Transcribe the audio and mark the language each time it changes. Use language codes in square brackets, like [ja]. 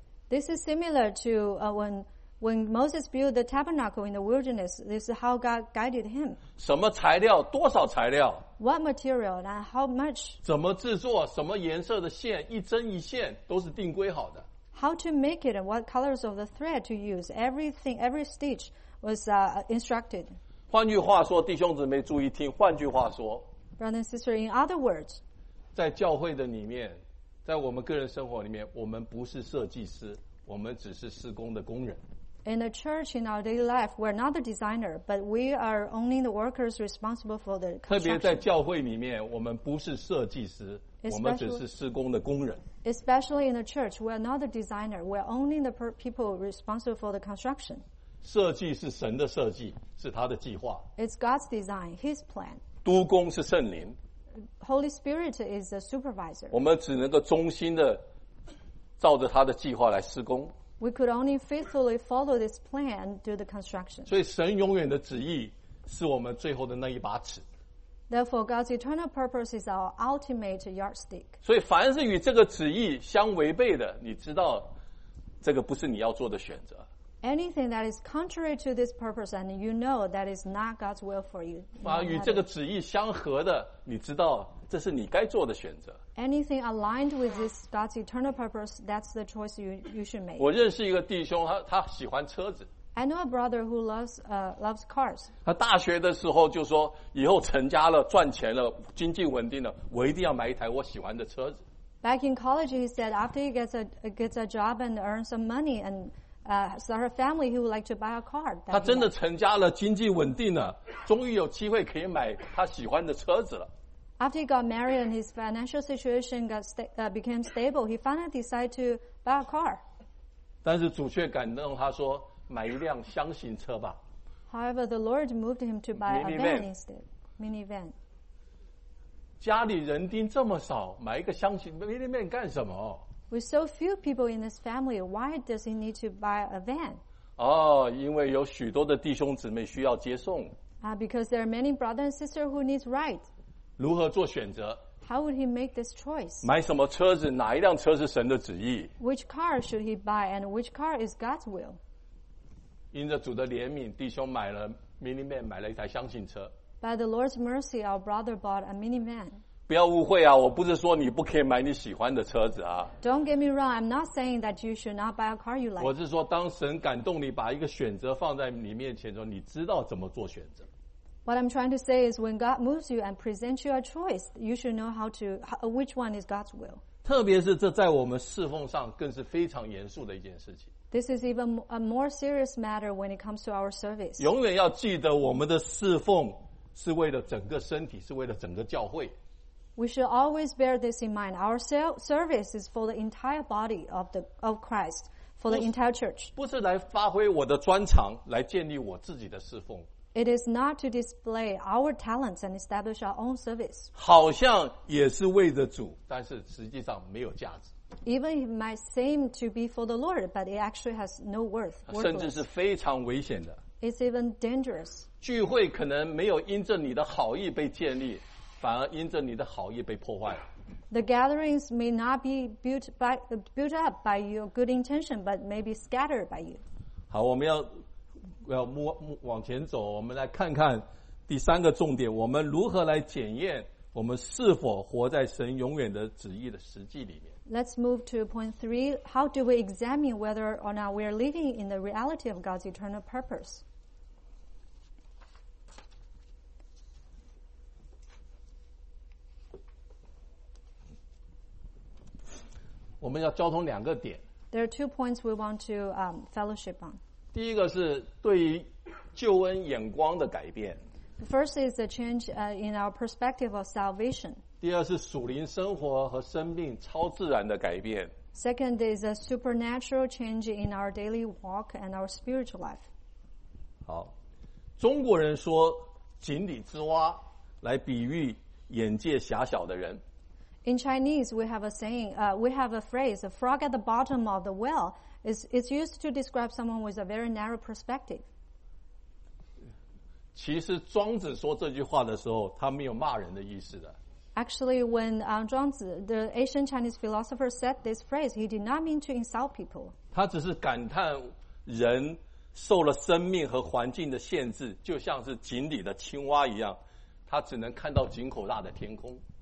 [en] This is similar to when Moses built the tabernacle in the wilderness. This is how God guided him. [zh] 什么材料？多少材料 [en] ？What material and how much？ [zh] 怎么制作？什么颜色的线？一针一线都是定规好的。 [en] How to make it and what colors of the thread to use? Everything, every stitch was instructed. [zh] 换句话说，弟兄姊妹注意听。换句话说 [en] ，Brother and sister, in other words， [zh] 在教会的里面，在我们个人生活里面，我们不是设计师。我们只是施工的工人。 [en] In the church, in our daily life, we're not the designer, but we are only the workers responsible for the construction. [zh] 特别在教会里面，我们不是设计师，我们只是施工的工人。 [en] Especially in the church, we're not the designer, we're only the people responsible for the construction. [zh] 设计是神的设计，是他的计划。 [en] It's God's design, His plan. [zh] 督工是圣灵。 [en] Holy Spirit is the supervisor. [zh] 我们只能够忠心的照着他的计划来施工。 [en] We could only faithfully follow this plan and do the construction. [zh] 所以神永远的旨意是我们最后的那一把尺。 [en] Therefore, God's eternal purpose is our ultimate yardstick. [zh] 所以凡是与这个旨意相违背的，你知道这个不是你要做的选择。 [en] Anything that is contrary to this purpose and you know that is not God's will for you. [zh] 凡与这个旨意相合的，你知道这是你该做的选择。 [en] Anything aligned with this God's eternal purpose, that's the choice you should make. [zh] 我认识一个弟兄，他喜欢车子。 [en] I know a brother who loves cars. [zh] 他大学的时候就说，以后成家了，赚钱了，经济稳定了，我一定要买一台我喜欢的车子。 [en] Back in college, he said after he gets a job and earns some money and start a family, he would like to buy a car. [zh] 他真的成家了，经济稳定了，终于有机会可以买他喜欢的车子了。 [en] After he got married and his financial situation became stable, he finally decided to buy a car. [zh] 但是主却感动他说，买一辆厢型车吧。 [en] However, the Lord moved him to buy a van instead, minivan. [zh] 家里人丁这么少，买一个厢型 minivan 干什么？ [en] With so few people in this family, why does he need to buy a van? [zh] 哦，因为有许多的弟兄姊妹需要接送。 [en] Because there are many brothers and sisters who need rides. [zh] 如何做选择？ [en] How would he make this choice? [zh] 买什么车子？哪一辆车是神的旨意？ [en] Which car should he buy and which car is God's will? [zh] 因着主的怜悯，弟兄买了 minivan， 买了一台厢型车。 [en] By the Lord's mercy, our brother bought a minivan. [zh] 不要误会啊，我不是说你不可以买你喜欢的车子啊。 [en] Don't get me wrong, I'm not saying that you should not buy a car you like. [zh] 我是说当神感动你把一个选择放在你面前的时候，你知道怎么做选择。 [en] What I'm trying to say is when God moves you and presents you a choice, you should know which one is God's will. [zh] 特别是这在我们侍奉上更是非常严肃的一件事情。 [en] This is even a more serious matter when it comes to our service. [zh] 永远要记得我们的侍奉是为了整个身体，是为了整个教会。 [en] We should always bear this in mind. Our service is for the entire body of Christ, for the entire church. [zh] 不是来发挥我的专长，来建立我自己的侍奉。 [en] It is not to display our talents and establish our own service. [zh] 好像也是为着主，但是实际上没有价值。 [en] Even it might seem to be for the Lord, but it actually has no worth. [zh] 甚至是非常危险的。 [en] It's even dangerous. [zh] 聚会可能没有因着你的好意被建立，反而因着你的好意被破坏。 [en] The gatherings may not be built up by your good intention, but may be scattered by you. [zh] 好，我们要。要往前走，我们来看看第三个重点，我们如何来检验我们是否活在神永远的旨意的实际里面。 [en] Let's move to point three. How do we examine whether or not we are living in the reality of God's eternal purpose? [zh] 我们要交通两个点。 [en] There are two points we want to fellowship on. [zh] 第一个是对于救恩眼光的改变。 [en] First is the change in our perspective of salvation. [zh] 第二是属灵生活和生命超自然的改变。 [en] Second is a supernatural change in our daily walk and our spiritual life. [zh] 好，中国人说井底之蛙来比喻眼界狭小的人。 [en] In Chinese, we have a saying, we have a phrase, a frog at the bottom of the well. It's used to describe someone with a very narrow perspective. [zh] 其实庄子说这句话的时候，他没有骂人的意思的。 [en] Actually, when Zhuang Zi, the ancient Chinese philosopher, said this phrase, he did not mean to insult people. [zh] 他只是感叹人受了生命和环境的限制，就像是井里的青蛙一样，他只能看到井口大的天空。